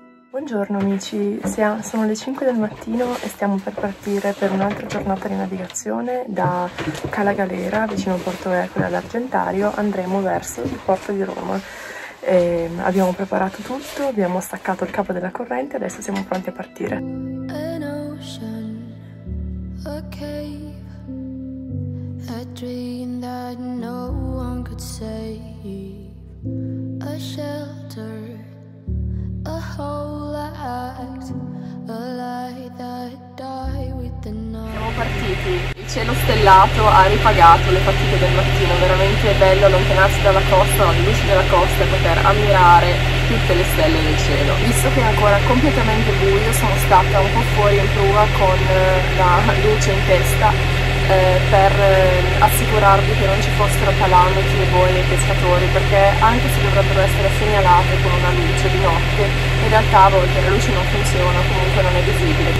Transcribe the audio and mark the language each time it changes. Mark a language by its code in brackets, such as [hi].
[it] Buongiorno amici, sono le 5 del mattino e stiamo per partire per un'altra giornata di navigazione da Cala Galera, vicino al Porto Ercole all'Argentario, andremo verso il porto di Roma. E abbiamo preparato tutto, abbiamo staccato il capo della corrente e adesso siamo pronti a partire. [en] An ocean, a cave, a dream that no one could save, a shelter, a whole act, a light that die with the night. [it] Siamo partiti, il cielo stellato ha ripagato le partite del mattino, veramente è bello allontanarsi dalla costa, dalle luci della costa e poter ammirare tutte le stelle del cielo. Visto che è ancora completamente buio, sono stata un po' fuori in prua con la luce in testa per assicurarvi che non ci fossero calamiti e voi nei pescatori, perché anche se dovrebbero essere segnalate con una luce di notte, in realtà a volte la luce non funziona, comunque non è visibile.